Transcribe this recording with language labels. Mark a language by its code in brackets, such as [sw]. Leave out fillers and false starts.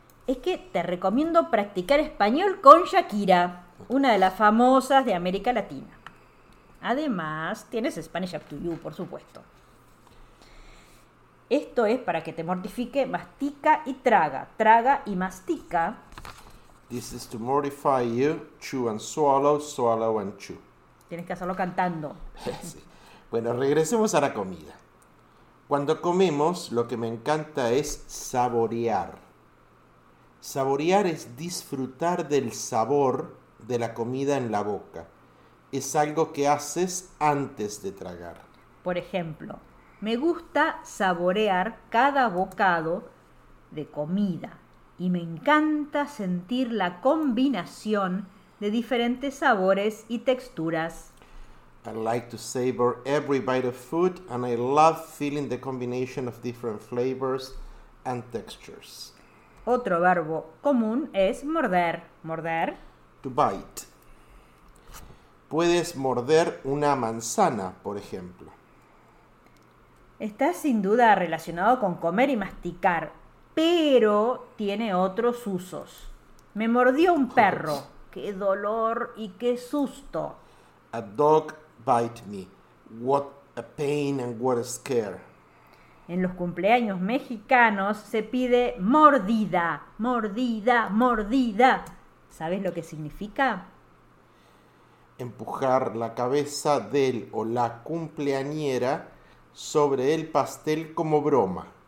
[es] Es que te recomiendo practicar español con Shakira, una de las famosas de América Latina. Además, tienes Spanish Up to You, por supuesto. Esto es para que te mortifique, mastica y traga, traga y mastica. [en] This is to mortify you, chew and swallow, swallow and chew. [es] Tienes que hacerlo cantando. Sí. Bueno, regresemos a la comida. Cuando comemos, lo que me encanta es saborear. Saborear es disfrutar del sabor de la comida en la boca. Es algo que haces antes de tragar. Por ejemplo, me gusta saborear cada bocado de comida y me encanta sentir la combinación de diferentes sabores y texturas. [en] I like to savor every bite of food and I love feeling the combination of different flavors and textures. [es] Otro verbo común es morder, morder. [en] To bite. [es] Puedes morder una manzana, por ejemplo. Está sin duda relacionado con comer y masticar, pero tiene otros usos. Me mordió un perro. ¡Qué dolor y qué susto! [en] A dog bite me. What a pain and what a scare. [es] En los cumpleaños mexicanos se pide mordida, mordida, mordida. ¿Sabes lo que significa? Empujar la cabeza del o la cumpleañera sobre el pastel como broma.